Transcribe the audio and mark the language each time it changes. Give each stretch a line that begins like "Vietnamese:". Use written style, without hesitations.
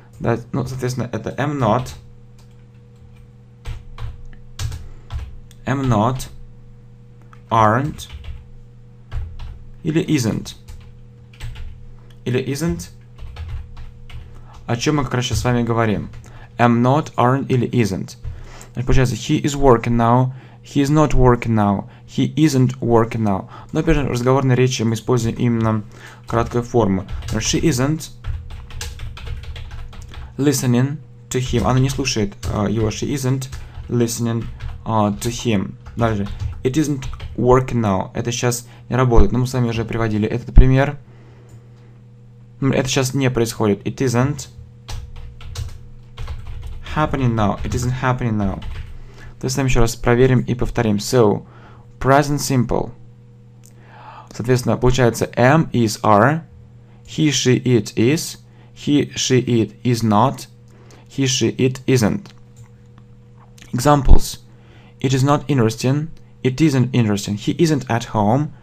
Russian: Да, ну, соответственно, это am not, aren't, или isn't, о чем мы как раз сейчас с вами говорим.
English: Am not, aren't,
Russian: или
English: isn't.
Russian: Значит, получается,
English: he is working now. He is not working now. He isn't working now.
Russian: Но, опять же, в разговорной речи мы используем именно краткую форму.
English: She isn't listening to to him.
Russian: Она не слушает его.
English: She isn't listening to him.
Russian: Дальше.
English: It isn't working now.
Russian: Это сейчас не работает. Но мы с вами уже приводили этот пример. Это сейчас не происходит.
English: It isn't happening now. It isn't happening now.
Russian: То есть, еще раз проверим и повторим.
English: So, present simple.
Russian: Соответственно, получается, am is are.
English: He, she, it is. He, she, it is not. He, she, it isn't. Examples. It is not interesting. It isn't interesting. He isn't at home.